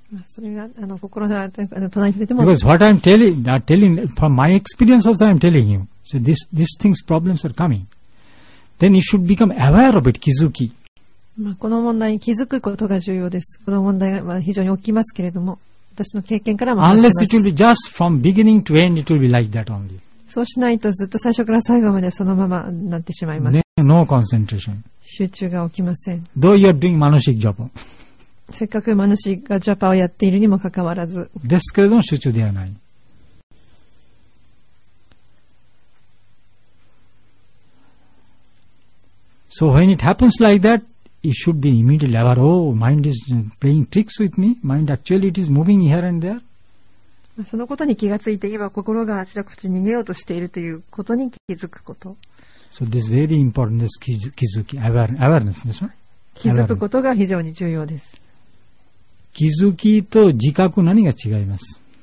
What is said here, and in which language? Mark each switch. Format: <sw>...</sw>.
<en>Because what I'm telling from my experience also I'm telling you. So these things, problems are coming. Then you should become aware of it, Kizuki.</en> <ja>この問題に気づくことが重要です。この問題は非常に大きいますけれども。私の経験からも</ja> <en>Unless it will be just from beginning to end, it will be like that only.</en> <ja>そうしないとずっと最初から最後までそのままなってしまいます。</ja> <en>Then, no concentration.</en> <ja>集中が起きません。</ja> <en>Though you are doing manushik japa.</en> <ja>せっかくマヌシガジャパをやっているにもかかわらず。ですけれども集中ではない。</ja> <en>So when it happens like that,It should be immediately aware. Oh, mind is playing tricks with me. Mind actually it is moving here and there.</en> <ja>そのことに気がついて、今心があちらこちら逃げようとしているということに気づくこと。</ja> <en>So this is very important, this 気づき、awareness</en> <ja>ですね。気づくことが非常に重要です。気づきと自覚何が違います？</ja>